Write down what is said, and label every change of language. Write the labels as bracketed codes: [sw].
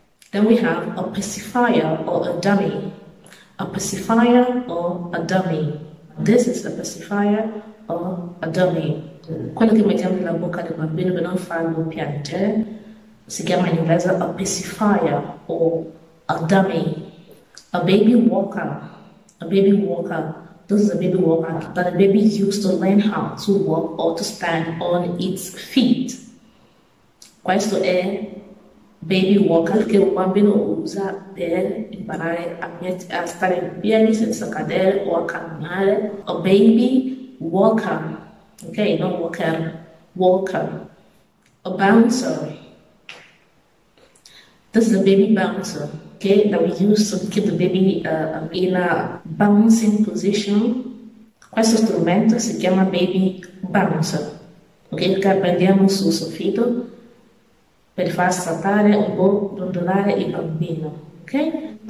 [en] Then we have a pacifier or a dummy. A pacifier or a dummy. This is a pacifier or a dummy. [it] Quello che mettiamo nella bocca del bambino per non farlo piangere si chiama in inglese a pacifier o a dummy. [en] A baby walker. A baby walker. This is a baby walker that a baby used to learn how to walk or to stand on its feet. [it] Questo è baby walker che un bambino usa per imparare a stare in piedi senza cadere o a camminare. [en] A baby walker, ok, non walker, walker. A bouncer. This is a baby bouncer, okay, that we use to keep the baby in a bouncing position. [it] Questo strumento si chiama baby bouncer, ok, che appendiamo sul soffitto per far saltare o dondolare il bambino, ok?